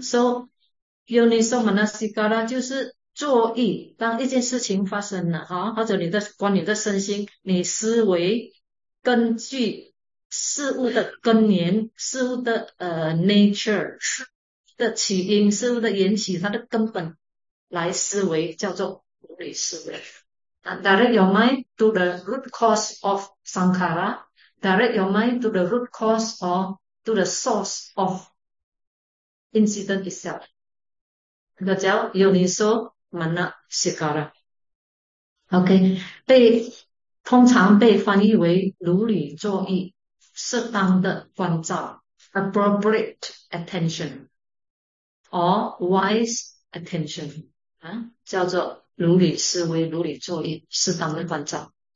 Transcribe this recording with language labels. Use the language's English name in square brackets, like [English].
[Chinese] So yoniso manasikara 就是作意，当一件事情发生了哈，或者你的关你的身心，你思维根据。事物的根源，事物的nature，事的起因，事物的缘起，它的根本来思维叫做无理思维。 [English] Direct your mind to the root cause of sankhara. Direct your mind to the root cause or to the source of incident itself. [Chinese] 那个叫 yoniso manasikara. OK，通常被翻译为如理作意。适当的关照， [English] appropriate attention or wise attention [Chinese] 啊，叫做如理思维、如理作意、适当的关照。